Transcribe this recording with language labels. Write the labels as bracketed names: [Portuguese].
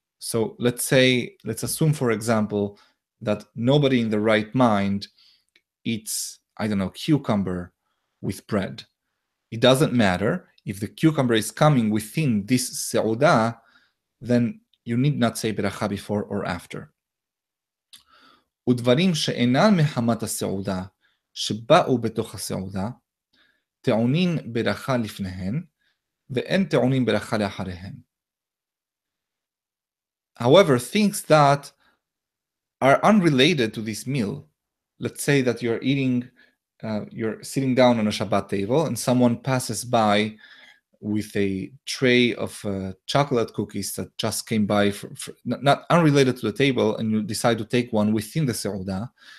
[English] So let's assume, for example, that nobody in the right mind eats, I don't know, cucumber with bread. It doesn't matter. If the cucumber is coming within this seuda, then you need not say beracha before or after. [Hebrew] ודברים שאינן מחמת הסעודה, שבאו בתוך הסעודה, טעונים ברכה לפניהן, ואין טעונים ברכה לאחריהן. [English] However, things that are unrelated to this meal, let's say that you're sitting down on a Shabbat table, and someone passes by with a tray of chocolate cookies that just came by, not unrelated to the table, and you decide to take one within the seuda.